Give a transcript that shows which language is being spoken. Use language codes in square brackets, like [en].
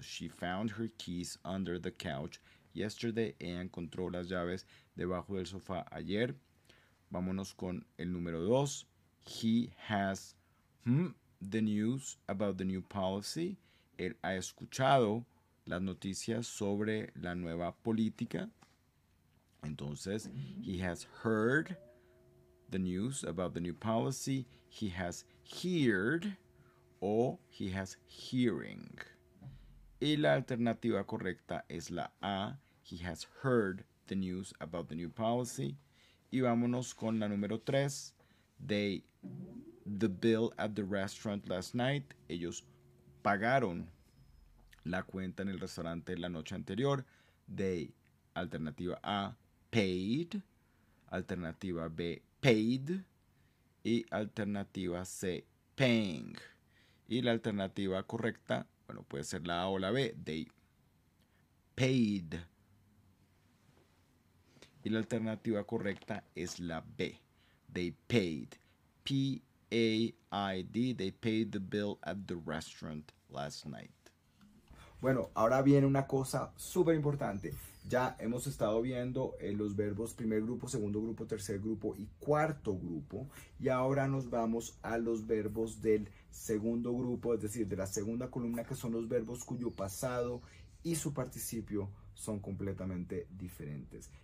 [en] She found her keys under the couch yesterday. [es] Ella encontró las llaves debajo del sofá ayer. Vámonos con el número 2. [en] He has the news about the new policy. [es] Él ha escuchado las noticias sobre la nueva política. Entonces, [en] he has heard the news about the new policy. He has heard or he has hearing. [es] Y la alternativa correcta es la A. [en] He has heard the news about the new policy. [es] Y vámonos con la número 3. [en] The bill at the restaurant last night. [es] Ellos pagaron la cuenta en el restaurante la noche anterior. [en] They, [es] alternativa A, paid. Alternativa B, paid. Y alternativa C, paying. Y la alternativa correcta, bueno, puede ser la A o la B. [en] They paid. [es] Y la alternativa correcta es la B. [en] They paid. P-A-I-D. They paid the bill at the restaurant last night. [es] Bueno, ahora viene una cosa súper importante. Ya hemos estado viendo los verbos primer grupo, segundo grupo, tercer grupo y cuarto grupo. Y ahora nos vamos a los verbos del segundo grupo, es decir, de la segunda columna, que son los verbos cuyo pasado y su participio son completamente diferentes.